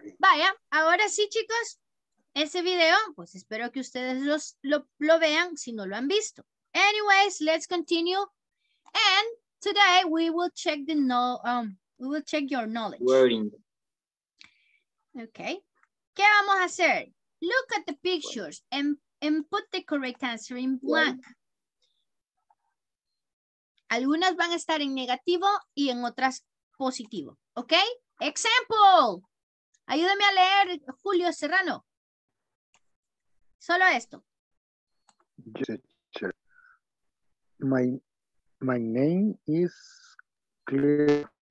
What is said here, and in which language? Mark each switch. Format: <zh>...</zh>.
<es>Vaya, ahora sí, chicos, ese video, pues espero que ustedes lo vean si no lo han visto.</es> <en>Anyways, let's continue. And today we will check the we will check your knowledge. Wearing.</en> <es>Okay. ¿Qué vamos a hacer?</es> <en>Look at the pictures and put the correct answer in blank. Wearing.</en> <es>Algunas van a estar en negativo y en otras positivo. ¿Ok? Example. Ayúdame a leer, Julio Serrano. Solo esto.</es> <en>My name is Claire.</en>